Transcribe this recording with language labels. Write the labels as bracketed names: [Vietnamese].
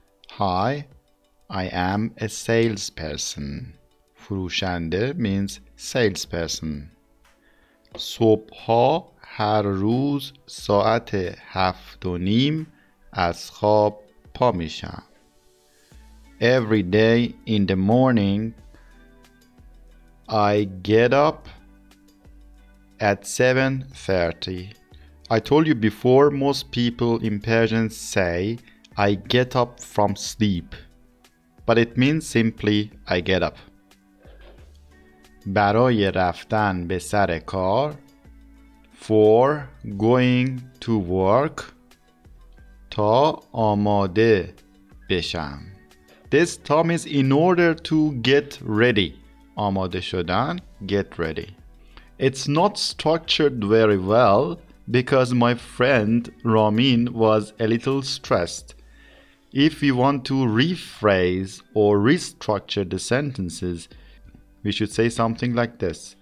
[English] Hi, I am a salesperson. فروشنده means salesperson. [Persian] صبح ها هر روز ساعت 7:30 از خواب پا میشم. [English] Every day in the morning, I get up at 7:30. I told you before, most people in Persian say, I get up from sleep. But it means simply, I get up. [Persian] برای رفتن به سر کار, [English] for going to work, [Persian] تا آماده بشم. [English] This term is in order to get ready. آماده شدن, get ready. It's not structured very well because my friend Ramin was a little stressed. If you want to rephrase or restructure the sentences, we should say something like this.